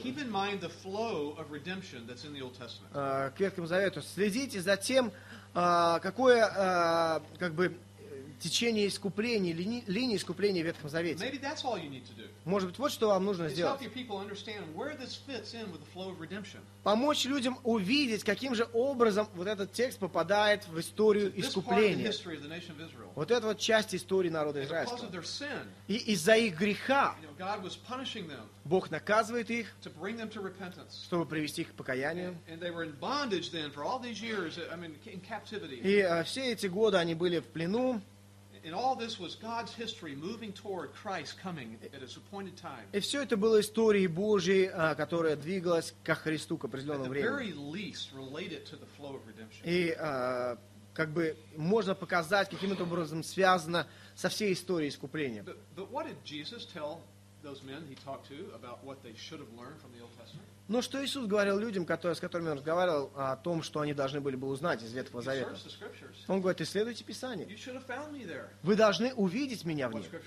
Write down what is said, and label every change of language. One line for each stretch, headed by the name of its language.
English: Keep in mind the flow of redemption that's in the Old Testament.
Russian: К Ветхому Завету. Следите за тем, какое как бы течение искупления, линии искупления в Ветхом Завете.
English: Maybe that's all you need to do.
Russian: Может быть, вот что вам нужно сделать.
English: Help your people understand where this fits in with the flow of redemption.
Russian: Помочь людям увидеть, каким же образом вот этот текст попадает в историю искупления.
English: This part of the history of the nation of Israel.
Russian: Вот эта вот часть истории народа Израиля.
English: Because of their sin.
Russian: И из-за их греха.
English: You know, God was punishing them.
Russian: Бог наказывает их.
English: To bring them to repentance.
Russian: Чтобы привести их к покаянию.
English: And they were in bondage then for all these years. I mean, in captivity.
Russian: И все эти годы они были в плену.
English: And all this was God's history moving toward Christ coming at His appointed time.
Russian: И все это было историей Божьей, которая двигалась ко Христу к определенному времени.
English: At the very least, related to the flow of redemption.
Russian: И как бы можно показать, каким это образом связано со всей историей искупления.
English: But what did Jesus tell those men He talked to about what they should have learned from the Old Testament?
Russian: Но что Иисус говорил людям, с которыми Он разговаривал, о том, что они должны были бы узнать из Ветхого Завета? Он говорит, исследуйте Писание. Вы должны увидеть Меня в них.